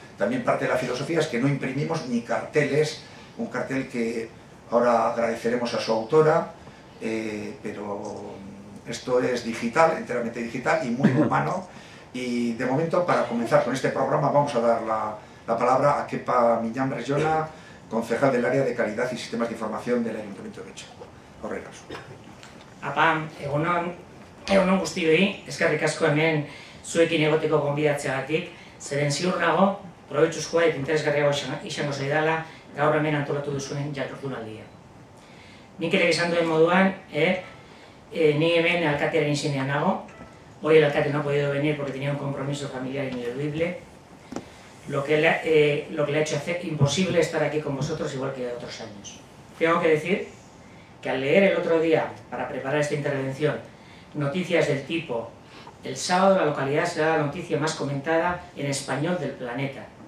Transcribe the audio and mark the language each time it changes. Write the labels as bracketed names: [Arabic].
[Spanish] También parte de la filosofía es que no imprimimos ni carteles, un cartel que ahora agradeceremos a su autora, pero esto es digital, enteramente digital y muy humano. Y de momento, para comenzar con este programa, vamos a dar la palabra a Kepa Miñambres Yona, concejal del área de calidad y sistemas de información del Ayuntamiento de Getxo. Horregas. [Basque] Apam, egunon. Egun on guztioi, eskerrik asko hemen zuekin egoteko gonbidatzeagatik, zeren ziur nago, probetxuzkoa eta interesgarriago izango zaidala gaur hemen antolatu duzuen jardunaldia. Nik ere esan duen moduan, ni hemen alkatearen izenean nago, [Spanish] hoy el alkate no ha podido venir porque tenía un compromiso familiar ineludible, lo que le ha hecho hacer imposible estar aquí con vosotros igual que otros años. Tengo que decir que al leer el otro día para preparar esta intervención noticias del tipo, el sábado la localidad será la noticia más comentada en español del planeta.